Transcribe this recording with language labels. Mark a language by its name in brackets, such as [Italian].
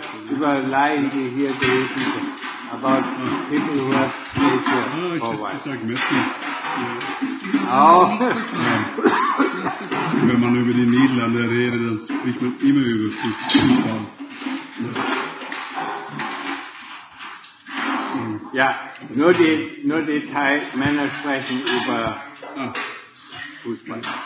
[German] Über Laien, die hier gewesen sind. [English] About people who have stayed here for a while. [German] Ich sage Messi. Oh. Wenn man über die Niederlande redet, dann spricht man immer über Fußball. Ja, nur die Thai Männer sprechen über Fußball.